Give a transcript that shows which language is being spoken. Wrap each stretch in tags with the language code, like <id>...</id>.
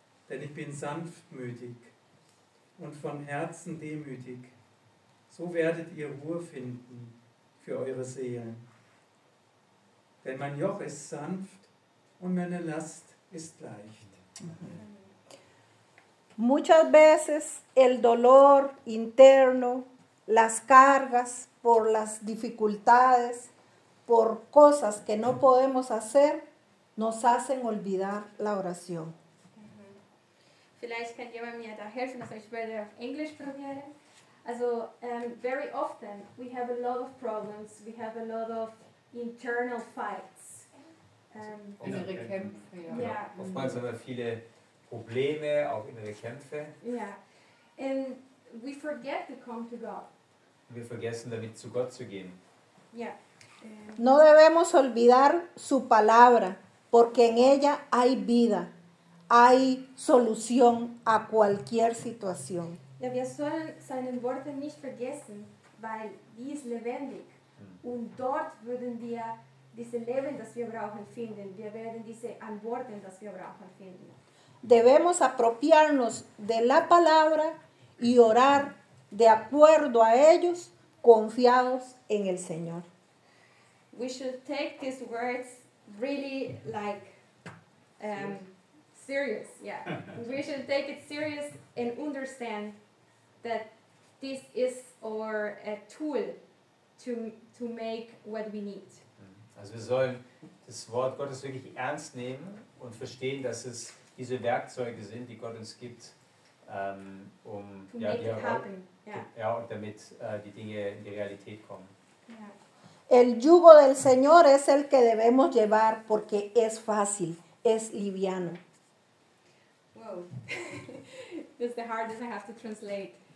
<de>Denn ich bin sanftmütig und von Herzen demütig. So werdet ihr Ruhe finden für eure Seelen. Denn mein Joch ist sanft und meine Last ist leicht.</de> <es>Muchas veces el dolor interno, las cargas por las dificultades, por cosas que no podemos hacer, nos hacen olvidar la oración.</es> <de>Vielleicht kann jemand mir da helfen, dass ich werde auf Englisch probieren.</de> <en>Also, very often we have a lot of problems, we have a lot of internal fights.</en> <de>Innere Kämpfe, ja. Oftmals haben wir viele Probleme, auch innere Kämpfe.</de> <en>Yeah. And we forget to come to God.</en> <de>Wir vergessen damit, zu Gott zu gehen.</de> <en>Yeah.</en> <es>No debemos olvidar su palabra, porque en ella hay vida, hay solución a cualquier situación.</es> <de>Ja, wir sollen seine Worte nicht vergessen, weil die ist lebendig. Und dort würden wir dieses Leben, das wir brauchen, finden. Wir werden diese Antworten, das wir brauchen, finden.</de> <es>Debemos apropiarnos de la palabra y orar de acuerdo a ellos, confiados en el Señor.</es> <en>We should take these words really like serious. Yeah. We should take it serious and understand that this is our tool to make what we need.</en> <de>Also wir sollen das Wort Gottes wirklich ernst nehmen und verstehen, dass es diese Werkzeuge sind, die Gott uns gibt, um</de> <en>to ja, make it happen. Yeah.</en> <de>Ja, und damit die Dinge in die Realität kommen.</de> <en>Yeah.</en> <es>El yugo del Señor es el que debemos llevar porque es fácil, es liviano.</es> <en>Wow. This is the hardest I have to translate.</en>